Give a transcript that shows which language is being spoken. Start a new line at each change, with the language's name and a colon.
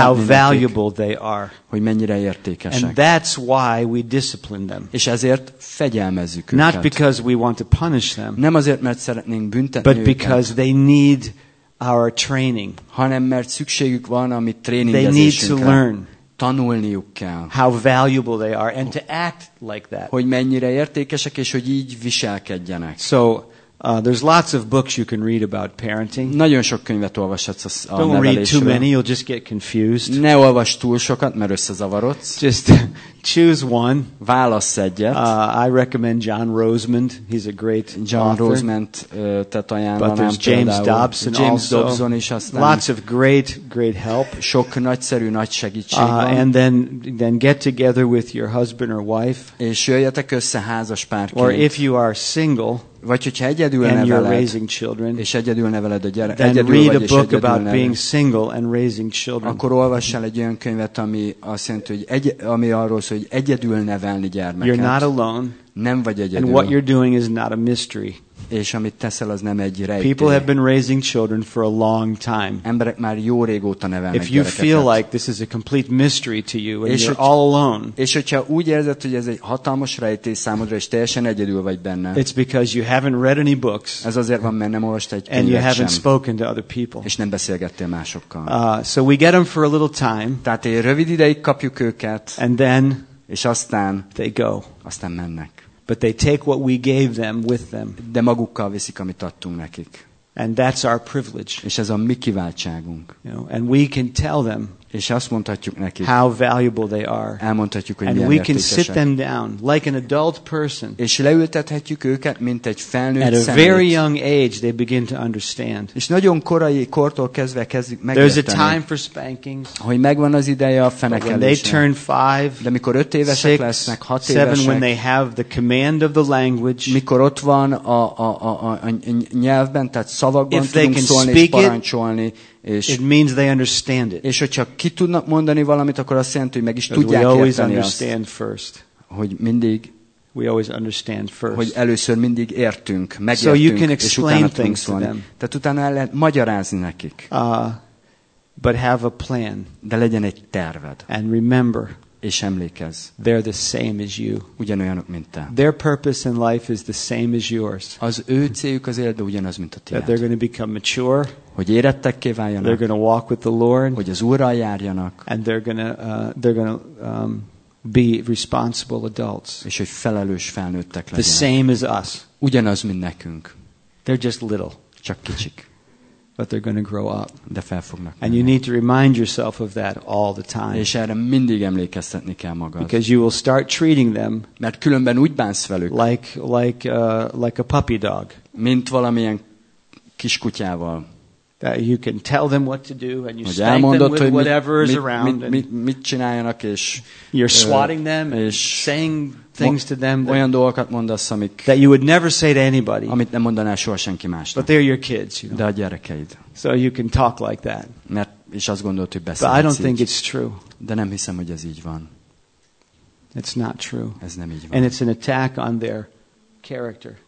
English: how valuable they are.
Hungarian: Hogy mennyire értékesek.
English: And that's why we discipline them.
Hungarian: És ezért fegyelmezzük
English: not
Hungarian: őket.
English: Not because we want to punish them.
Hungarian: Nem azért, mert szeretnénk büntetni
English: but
Hungarian: őket.
English: But because they need our training.
Hungarian: Hanem mert szükségük van a mi tréningezésünkre.
English: They need to learn.
Hungarian: Tanulniuk kell.
English: How valuable they are and to act like that.
Hungarian: Hogy mennyire értékesek és hogy így viselkedjenek.
English: So there's lots of books you can read about parenting.
Hungarian: Nagyon sok könyvet olvashatsz a nevelésről.
English: Don't read too many, you'll just get confused.
Hungarian: Ne olvasd túl sokat, mert összezavarodsz.
English: Just choose one.
Hungarian: Válassz egyet.
English: I recommend John Rosemond. He's a great
Hungarian: John
English: author.
Hungarian: Rosemond, tehát ajánlanám.
English: But there's James Dobson also.
Hungarian: James Dobson is aztán.
English: Lots of great, great help.
Hungarian: Sok nagyszerű nagy segítség.
English: And then get together with your husband or wife.
Hungarian: És jöjjetek össze házas párként.
English: Or if you are single.
Hungarian: Vagy hogyha egyedül neveled,
English: and you're raising children,
Hungarian: és egyedül neveled a gyerek,
English: then
Hungarian: egyedül
English: read a book about being single and raising children.
Hungarian: Akkor olvass el egy olyan könyvet, ami azt jelenti, hogy ami arról szól, hogy egyedül nevelni gyermeket.
English: You're not alone.
Hungarian: Nem vagy egyedül.
English: And what you're doing is not a mystery.
Hungarian: És amit teszel, az nem egy rejtély.
English: People have been raising children for a long time.
Hungarian: Emberek már jó régóta nevelnek gyerekeket.
English: If you feel like this is a complete mystery to you and you're all alone.
Hungarian: És hogyha úgy érzed, hogy ez egy hatalmas rejtély számodra, és teljesen egyedül vagy benne.
English: It's because you haven't read any books.
Hungarian: Ez azért van, mert nem olvastál egy könyvet sem.
English: And you haven't
Hungarian: sem.
English: Spoken to other people.
Hungarian: És nem beszélgettél másokkal.
English: So we get them for a little time.
Hungarian: Tehát egy rövid ideig kapjuk őket.
English: And then
Hungarian: és aztán
English: they go.
Hungarian: Aztán mennek.
English: But they take what we gave them with them.
Hungarian: De magukkal viszik, amit adtunk nekik.
English: And that's our privilege.
Hungarian: És ez a mi kiváltságunk.
English: You know, and we can tell them.
Hungarian: És azt mondhatjuk nekik.
English: How valuable they are.
Hungarian: Elmondhatjuk, hogy milyen értékesek.
English: And we can sit them down like an adult person.
Hungarian: És leültethetjük őket, mint egy felnőtt.
English: At a very young age, they begin to understand.
Hungarian: És nagyon korai kortól kezdve kezdik megérteni.
English: There's a time for spankings.
Hungarian: Hogy megvan az ideje a fenekelésnek.
English: When they turn 5,
Hungarian: de mikor 5 évesek lesznek, 6 évesek.
English: 7, when they have the command of the language.
Hungarian: Mikor ott van a nyelvben, tehát szavakban tudunk szólni és parancsolni. És,
English: it means they understand it.
Hungarian: És hogyha ki tudnak mondani valamit, akkor azt jelenti, hogy meg is tudják
English: we always
Hungarian: érteni
English: understand
Hungarian: azt,
English: first.
Hungarian: Hogy mindig
English: we always understand first.
Hungarian: Hogy először mindig értünk, megértünk,
English: so you can
Hungarian: és utána tudunk szólni. Tehát utána el lehet magyarázni nekik.
English: But have a plan.
Hungarian: De legyen egy terved.
English: And remember,
Hungarian: és emlékezz.
English: They're the same as you.
Hungarian: Ugyanolyanok, mint te.
English: Their purpose in life is the same as yours.
Hungarian: Az ő céljuk az életben ugyanaz, mint a tiéd.
English: That they're going to become mature.
Hungarian: Hogy érettekké váljanak.
English: They're going to walk with the Lord.
Hungarian: Hogy az Úrral járjanak.
English: And they're going to be responsible adults.
Hungarian: És hogy felelős felnőttek legyenek.
English: The same as us.
Hungarian: Ugyanaz, mint nekünk.
English: They're just little.
Hungarian: Csak kicsik.
English: But they're going to grow up.
Hungarian: De fel fognak nőni.
English: And you need to remind yourself of that all the time.
Hungarian: És erre mindig emlékeztetni kell magad.
English: Because you will start treating them.
Hungarian: Mert különben úgy bánsz velük.
English: Like a puppy dog.
Hungarian: Mint valamilyen kiskutyával.
English: That you can tell them what to do and you spank them with whatever is around
Hungarian: mit csináljanak, és
English: you're swatting them and saying things to them
Hungarian: olyan dolgokat mondasz, amik,
English: that you would never say to anybody,
Hungarian: amit nem mondanál soha senki másnak,
English: but they're your kids, you know?
Hungarian: De a gyerekeid.
English: So you can talk like that.
Hungarian: Mert, és azt gondolt, hogy beszélsz.
English: But I don't think it's true.
Hungarian: De nem hiszem, hogy ez így van.
English: It's not true.
Hungarian: Ez nem így van.
English: And it's an attack on their character.